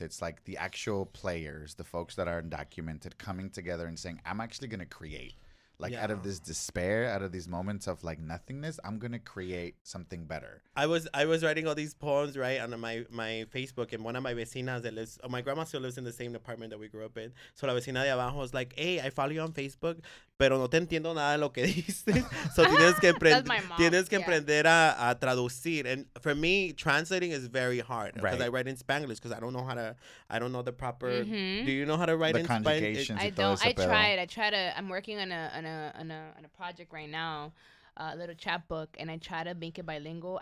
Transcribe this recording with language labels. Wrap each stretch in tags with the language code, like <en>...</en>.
<en>It's like the actual players, the folks that are undocumented, coming together and saying, "I'm actually gonna create, like, out of this despair, out of these moments of like nothingness, I'm gonna create something better." I was writing all these poems right on my Facebook, and one of my vecinas that lives, my grandma still lives in the same apartment that we grew up in.</en> <es>So la vecina de abajo was like, "Hey, I follow you on Facebook, pero no te entiendo nada de lo que dices." So tienes que aprender a traducir.</es> <en>And for me, translating is very hard because I write in Spanglish because I don't know the proper. Mm-hmm. Do you know how to write the in Spanish? I don't. I try to. I'm working on a project right now, a little chapbook, and I try to make it bilingual.</en>